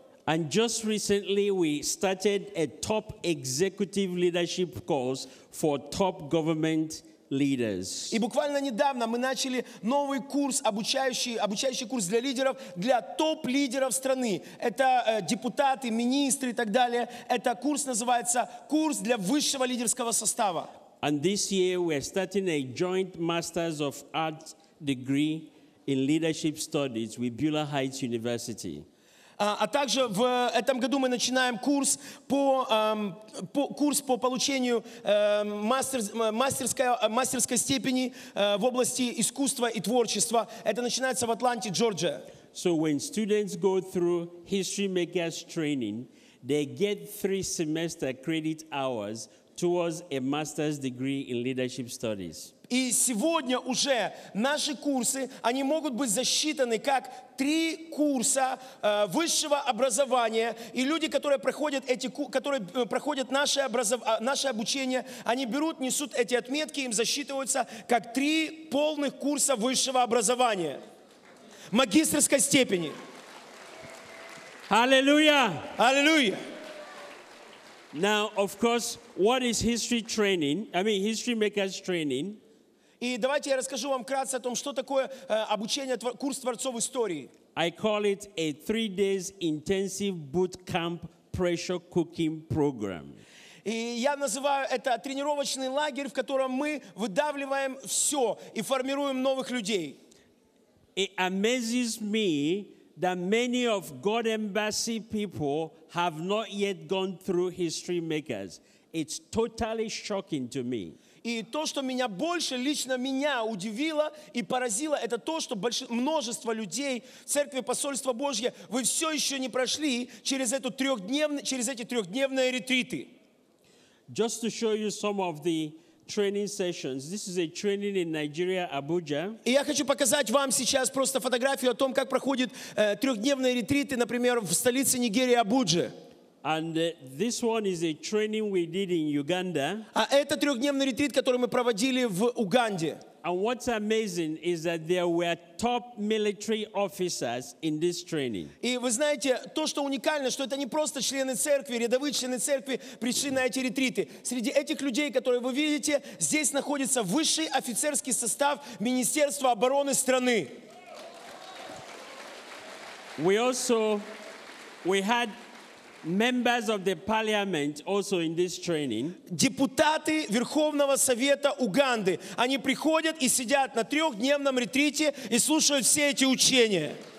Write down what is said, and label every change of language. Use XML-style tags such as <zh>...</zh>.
<en>And just recently we started a top executive leadership course for top government leaders.</en> <ru>И буквально недавно мы начали новый курс, обучающий курс для лидеров, для топ-лидеров страны. Это депутаты, министры и так далее. Это курс называется «Курс для высшего лидерского состава».</ru> <en>And this year we are starting a joint Masters of Arts degree in Leadership Studies with Beulah Heights University.</en> <ru>А также в этом году мы начинаем курс по получению мастерской степени в области искусства и творчества. Это начинается в Атланте, Джорджия.</ru> <en>So when students go through History Makers training, they get 3 semester credit hours towards a master's degree in leadership studies.</en> <ru>И сегодня уже наши курсы, они могут быть засчитаны как 3 курса высшего образования. И люди, которые проходят наше обучение, они берут, несут эти отметки, им засчитываются как 3 полных курса высшего образования. Магистерской степени. Аллилуйя! Аллилуйя!</ru> <en>Now, of course, what is history training? History makers training.</en> <ru>И давайте я расскажу вам вкратце о том, что такое обучение, курс творцов истории.</ru> <en>I call it a 3-day intensive bootcamp pressure cooking program.</en> <ru>И я называю это тренировочный лагерь, в котором мы выдавливаем все и формируем новых людей.</ru> <en>It amazes me that many of God Embassy people have not yet gone through History Makers. It's totally shocking to me.</en> <ru>И то, что меня больше, лично меня удивило и поразило, это то, что множество людей в Церкви Посольства Божье, вы все еще не прошли через эти трехдневные ретриты.</ru> <en>Just to show you some of the training sessions. This is a training in Nigeria, Abuja.</en> <ru>И я хочу показать вам сейчас просто фотографию о том, как проходят трехдневные ретриты, например, в столице Нигерии, Абудже.</ru> <en>And this one is a training we did in Uganda.</en> <ru>А это трехдневный ретрит, который мы проводили в Уганде.</ru> <en>And what's amazing is that there were top military officers in this training.</en> <ru>И вы знаете, то, что уникально, что это не просто члены церкви, рядовые члены церкви пришли на эти ретриты. Среди этих людей, которые вы видите, здесь находится высший офицерский состав Министерства обороны страны.</ru> <en>We had members of the parliament also in this training.</en> <ru>Депутаты Верховного Совета Уганды, они приходят и сидят на трехдневном ретрите и слушают все эти учения.</ru>